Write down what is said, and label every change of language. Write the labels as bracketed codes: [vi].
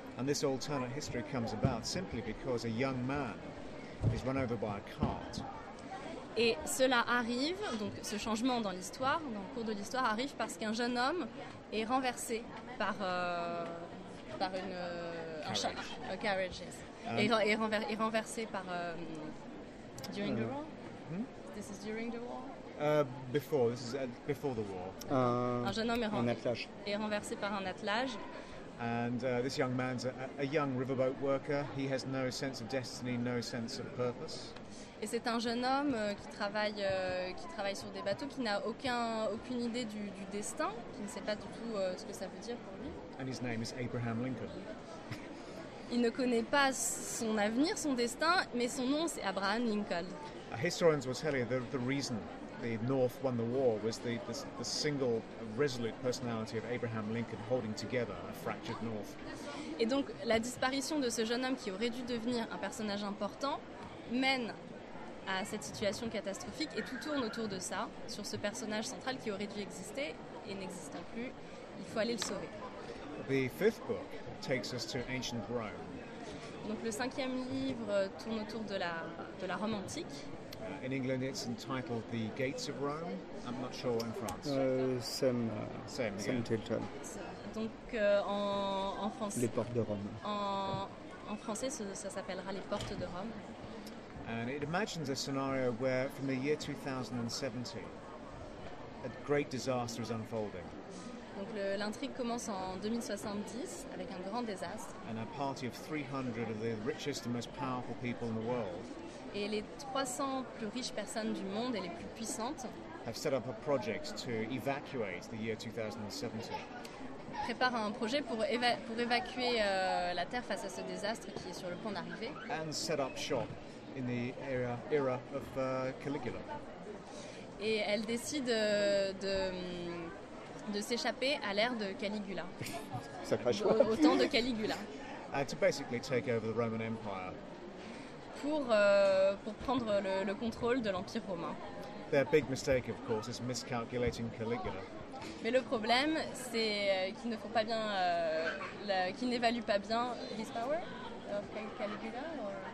[en] And this alternate history comes about simply because a young man is run over by a cart. [fr] Et cela arrive, donc ce changement dans l'histoire, dans le cours de l'histoire, arrive parce qu'un jeune homme est renversé par une [en] carriage. A carriage, yes. During the war. This is during the war. Before the war. [fr] Un jeune homme est renversé par un attelage. [en] And this young man's a young riverboat worker. He has no sense of destiny, no sense of purpose. [fr] Et c'est un jeune homme qui travaille sur des bateaux, qui n'a aucune idée du destin, qui ne sait pas du tout ce que ça veut dire pour lui. [en] And his name is Abraham Lincoln. [fr] Il ne connaît pas son avenir, son destin, mais son nom c'est Abraham Lincoln. [en] Historians will tell you the reason the North won the war was the single resolute personality of Abraham Lincoln holding together a fractured North. [fr] Et donc la disparition de ce jeune homme qui aurait dû devenir un personnage important mène à cette situation catastrophique et tout tourne autour de ça, sur ce personnage central qui aurait dû exister et n'existant plus, il faut aller le sauver. [en] The fifth book takes us to ancient Rome. [fr] Donc le cinquième livre tourne autour de la Rome antique. [en] In England, it's entitled The Gates of Rome. I'm not sure in France. Same title. [fr] Donc en français. Les portes de Rome. En français, ça s'appellera Les portes de Rome. [en] And it imagines a scenario where, from the year 2070, a great disaster is unfolding. [fr] Donc l'intrigue commence en 2070 avec un grand désastre. [en] And a party of 300 of the richest and most powerful people in the world. [fr] Et les 300 plus riches personnes du monde et les plus puissantes [en] have set up a project to evacuate the year 2070. [fr] Prépare un projet pour évacuer la Terre face à ce désastre qui est sur le point d'arriver. [en] And set up shop in the era of Caligula. [fr] Et elle décide de s'échapper à l'ère de Caligula. Sacré choix. Au temps de Caligula. [en] To basically take over the Roman Empire. [fr] Pour prendre le contrôle de l'Empire romain. [en] Their big mistake, of course, is miscalculating Caligula. [fr] Mais le problème, c'est qu'ils ne font pas bien, qu'ils n'évaluent pas bien [en] his power of Caligula. [fr] Or...